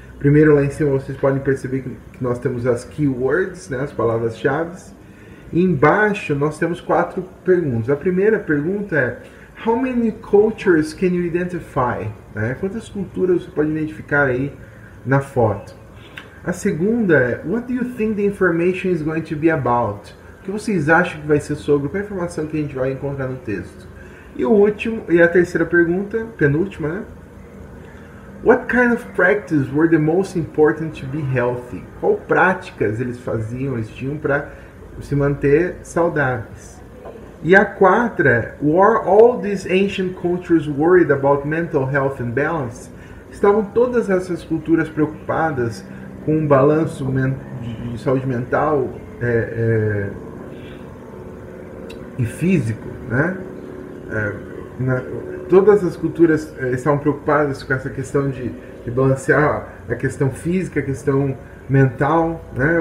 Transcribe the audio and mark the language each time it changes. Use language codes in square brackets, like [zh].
[pt] Primeiro, lá em cima, vocês podem perceber que nós temos as keywords, né, as palavras-chave. Embaixo, nós temos quatro perguntas. A primeira pergunta é: [en] How many cultures can you identify? [pt] Né? Quantas culturas você pode identificar aí na foto? A segunda é: [en] What do you think the information is going to be about? [pt] O que vocês acham que vai ser sobre? Qual é a informação que a gente vai encontrar no texto? E o último, e a terceira pergunta, penúltima, né? [en] What kind of practice were the most important to be healthy? [pt] Qual práticas eles faziam, eles tinham para se manter saudáveis? E a quatro é: [en] Were all these ancient cultures worried about mental health and balance? [pt] Estavam todas essas culturas preocupadas com o balanço de saúde mental e físico, né? Todas as culturas estavam preocupadas com essa questão de balancear a questão física, a questão mental, né?